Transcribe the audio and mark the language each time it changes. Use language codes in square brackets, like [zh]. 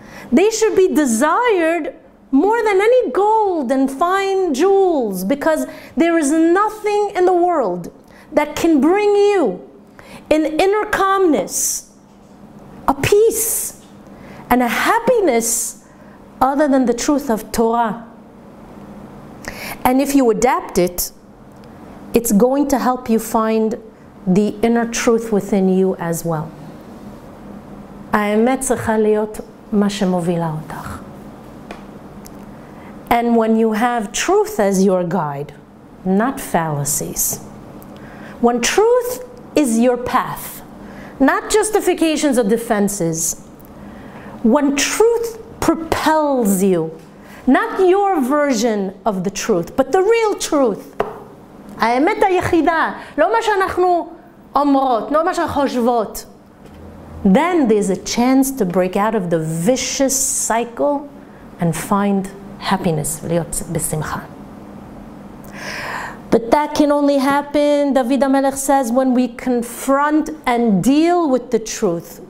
[en] They should be desired more than any gold and fine jewels, because there is nothing in the world that can bring you an inner calmness, a peace, and a happiness other than the truth of Torah. And if you adapt it, it's going to help you find the inner truth within you as well. [he] האמת צריכה להיות מה שמובילה אותך. [en] And when you have truth as your guide, not fallacies, when truth is your path, not justifications or defenses, when truth propels you, not your version of the truth, but the real truth. [he] האמת היחידה, לא מה שאנחנו אומרות, לא מה שאנחנו חושבות. [en] Then there's a chance to break out of the vicious cycle and find happiness, [he] להיות בשמחה. [en] But that can only happen, David HaMelech says, when we confront and deal with the truth.